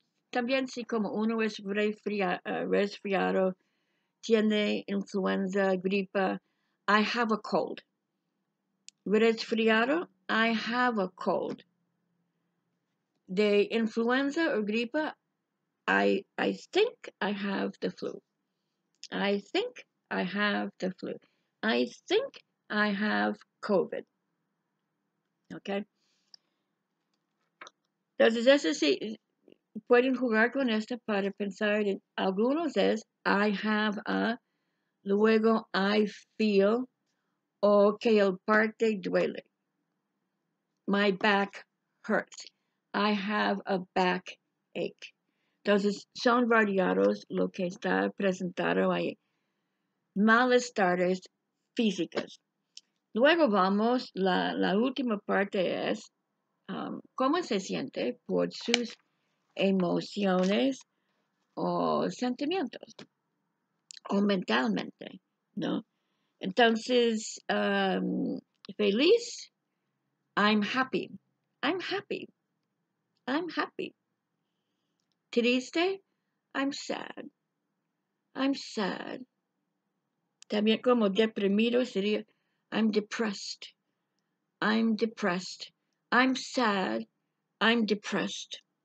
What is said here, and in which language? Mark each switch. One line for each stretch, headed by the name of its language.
Spanish: También si como uno es resfriado, tiene influenza, gripa,
English: I have a cold. Resfriado, I have a cold.
Spanish: De influenza o gripa,
English: I think I have the flu. I think I have the flu. I think I have COVID. Okay.
Spanish: Entonces, eso sí, pueden jugar con esto para pensar en algunos es
English: I have a,
Spanish: luego
English: I feel,
Spanish: o que el parte duele.
English: My back hurts. I have a backache.
Spanish: Entonces, son variados lo que está presentado ahí. Malestares físicas. Luego vamos, la última parte es cómo se siente por sus emociones o sentimientos o mentalmente, ¿no? Entonces, feliz,
English: I'm happy, I'm happy, I'm happy. Triste, I'm sad, I'm sad.
Spanish: También como deprimido sería,
English: I'm depressed, I'm depressed, I'm sad, I'm depressed.